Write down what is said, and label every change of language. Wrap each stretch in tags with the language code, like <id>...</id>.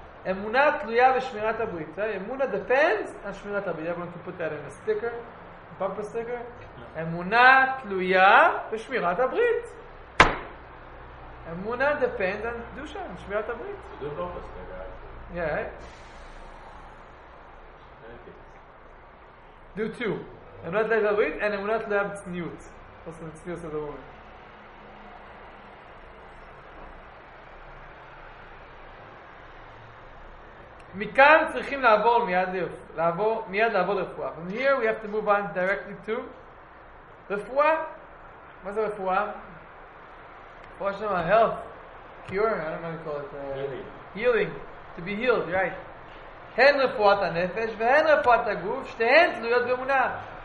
<he>אמונה תלויה בשמירת הברית. אמונה</he> <en>depends on</en> <he>שמירת הברית.</he> <en>I'm going to put that in a sticker, a bumper sticker.</en> <he>אמונה תלויה בשמירת הברית. אמונה</he> <en>depends on</en> <he>קדושה,</he> <en>on</en> <he>שמירת הברית.</he> <en>Do both of us, yeah. Do two.</en> <he>אמונה תלויה בברית,</he> <en>and</en> <he>אמונה תלויה בצניות.</he> <en>Also the צניות of the woman.</en> <he>מכאן צריכים לעבור מיד לעבור לרפואה.</he> <en>From here we have to move on directly to רפואה.</en> <he>מה זה רפואה? רפואה שלנו,</he> <en>health, cure, I don't know how you call it. Healing. To be healed, right.</en> <he>הן רפואת הנפש והן רפואת הגוף, שתיהן תלויות באמונה.</he>